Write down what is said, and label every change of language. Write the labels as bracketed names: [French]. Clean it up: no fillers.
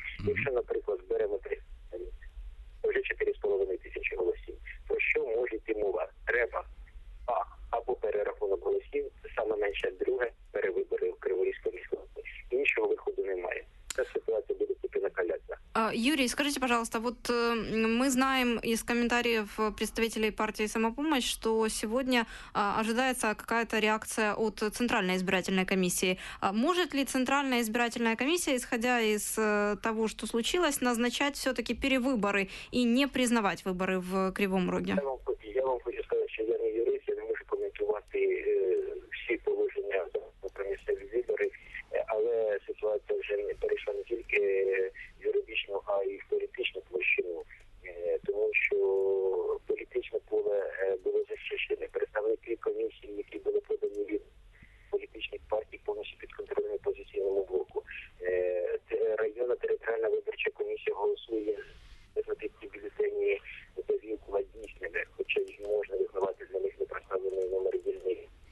[Ukrainian] Якщо, наприклад, зберемо 300, вже 4,5 тисячі голосів, про що може йти мова? Треба а або перерахунок голосів, це саме менше друге, перевибори в Криворізькому міському. Іншого виходу немає. Ця ситуація буде тільки накаляться. [Russian] Юрій, скажите, пожалуйста, вот мы знаем из комментариев представителей партии «Самопомощь», что сегодня ожидается какая-то реакция от Центральной избирательной комиссии. Может ли Центральная избирательная комиссия, исходя из того, что случилось, назначать все-таки перевыборы и не признавать выборы в Кривом Роге? Я вам хочу сказать, что я не юрист, я не могу комментировать все положения про местные выборы, [Ukrainian] але ситуация уже не перейшла не только юридичну, а й в політичну площину, тому що політичне поле було захищене. Представники комісії, які були подані від політичних партій, повністю під контролем опозиційному блоку. Районна територіальна виборча комісія голосує за ті бюлетені довілкова дійсними, хоча їх можна визнавати за них непроставлений номер дільний.